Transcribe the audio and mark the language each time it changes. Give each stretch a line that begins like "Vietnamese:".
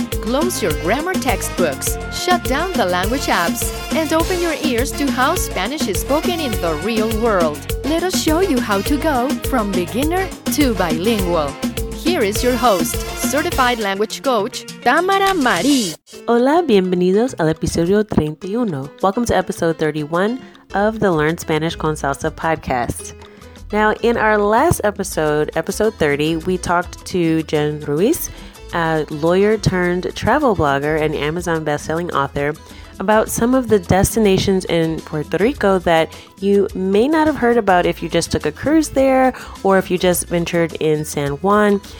English: Close your grammar textbooks, shut down the language apps, and open your ears to how Spanish is spoken in the real world. Let us show you how to go from beginner to bilingual. Here is your host, Certified Language Coach, Tamara Mari.
Spanish: Hola, bienvenidos al episodio 31.
English: Welcome to episode 31 of the Learn Spanish con Salsa podcast. Now, in our last episode, episode 30, we talked to Jen Ruiz, a lawyer turned travel blogger and Amazon bestselling author, about some of the destinations in Puerto Rico that you may not have heard about if you just took a cruise there or if you just ventured in San Juan.